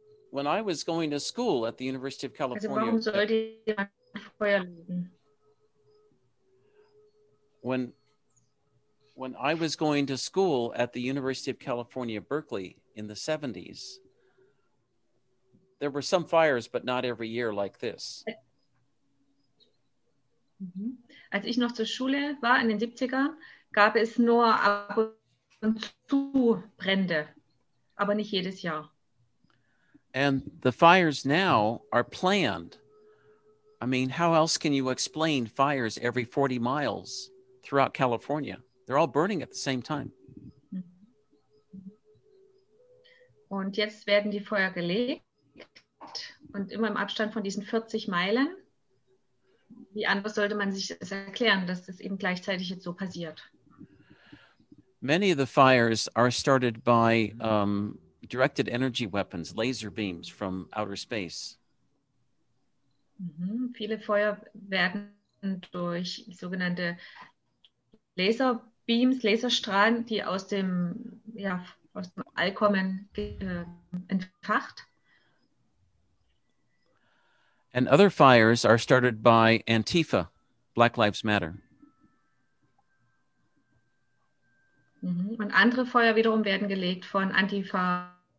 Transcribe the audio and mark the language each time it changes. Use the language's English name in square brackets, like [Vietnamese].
[English] When I was going to school at the University of California, [German] also warum sollte man Feuer legen? [English] When I was going to school at the University of California, Berkeley, in the 70s, there were some fires, but not every year like this. [German] Als ich noch zur Schule war in den 70ern, gab es nur ab und zu Brände, aber nicht jedes Jahr. [English] And the fires now are planned. I mean, how else can you explain fires every 40 miles throughout California? They're all burning at the same time. [German] Und jetzt werden die Feuer gelegt und immer im Abstand von diesen 40 Meilen. Wie anders sollte man sich das erklären, dass das eben gleichzeitig jetzt so passiert? [English] Many of the fires are started by directed energy weapons, laser beams from outer space. Mm-hmm. [German] Viele Feuer werden durch sogenannte Laserbeams, Laserstrahlen, die aus dem, ja, aus dem All kommen, entfacht. [English] And other fires are started by Antifa, Black Lives Matter. Mm-hmm. [German] Und andere Feuer wiederum werden gelegt von Antifa.